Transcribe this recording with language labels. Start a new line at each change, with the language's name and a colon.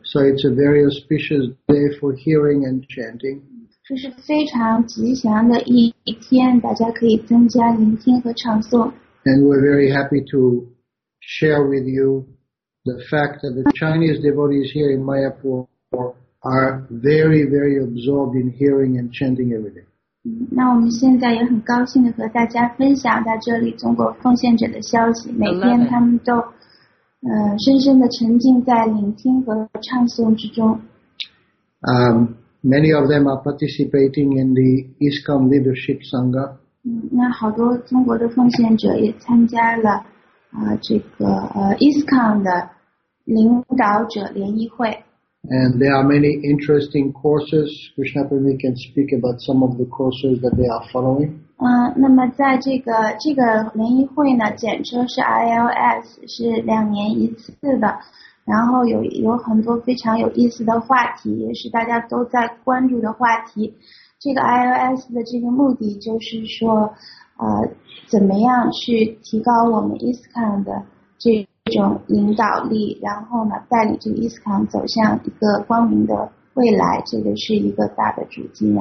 English: So it's a very auspicious day for hearing and chanting.
Chinese: 这是非常吉祥的一天，大家可以增加聆听和唱诵。
English: And we're very happy to share with you the fact that the Chinese devotees here in Mayapur are very, very absorbed in hearing and chanting every day.
Chinese: 那我们现在也很高兴地和大家分享在这里中国奉献者的消息。每天他们都深深地沉浸在聆听和唱诵之中。
English: Many of them are participating in the ISKCON Leadership Sangha.
Chinese: 那好多中国的奉献者也参加了这个ISKCON 的领导者联谊会。
English: And there are many interesting courses. Krishna Premi can speak about some of the courses that they are following.
Chinese: 那么在这个联谊会呢，简称是 ILS， 是两年一次的。然后有很多非常有意思的话题，也是大家都在关注的话题。这个 ILS 的这个目的就是说怎么样去提高我们 ISKCON 的这种领导力，然后呢带领这个 ISKCON 走向一个光明的未来，这个是一个大的主题。